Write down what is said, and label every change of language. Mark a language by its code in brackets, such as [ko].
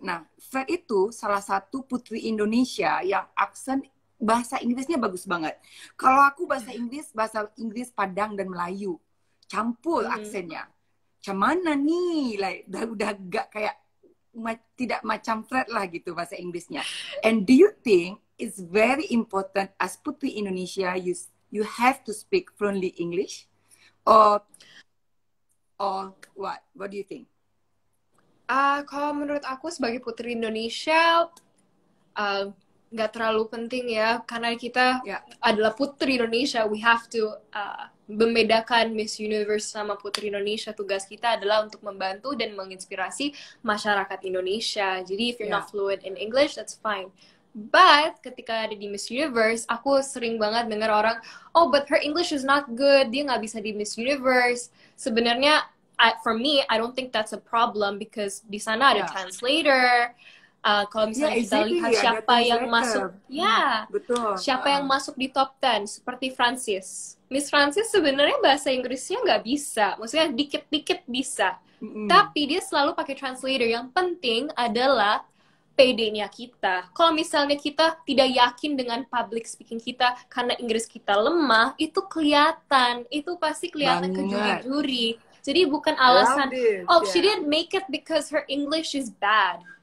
[id] Nah, Fred itu salah satu putri Indonesia yang aksen bahasa Inggrisnya bagus banget. Kalau aku bahasa Inggris Padang dan Melayu. Campur aksennya. Macam mana nih? Udah gak kayak tidak macam Fred lah gitu bahasa Inggrisnya. [en] And do you think it's very important as putri Indonesia you have to speak fluently English? Or what do you think? [id] Kalau menurut aku sebagai putri Indonesia, nggak terlalu penting ya, karena kita adalah putri Indonesia. [en] We have to [id] membedakan [en] Miss Universe sama putri Indonesia. [id] Tugas kita adalah untuk membantu dan menginspirasi masyarakat Indonesia. Jadi, [en] if you're not fluent in English, that's fine. But [id] ketika ada di Miss Universe, aku sering banget dengar orang, [en] oh, but her English is not good. [id] Dia nggak bisa di Miss Universe. Sebenarnya, [en] for me, I don't think that's a problem because [id] di sana ada [en] translator. [id] Kalau misalnya kita lihat [en] Exactly. [id] siapa yang masuk, Betul. Siapa yang masuk di top 10 seperti Francis. Miss Francis sebenarnya bahasa Inggrisnya nggak bisa, maksudnya dikit-dikit bisa. Tapi dia selalu pakai translator. Yang penting adalah PD-nya kita. Kalau misalnya kita tidak yakin dengan public speaking kita karena Inggris kita lemah, itu kelihatan. Itu pasti kelihatan ke Banget. juri-juri. Jadi bukan alasan, [en] Love it. oh, she didn't make it because her English is bad.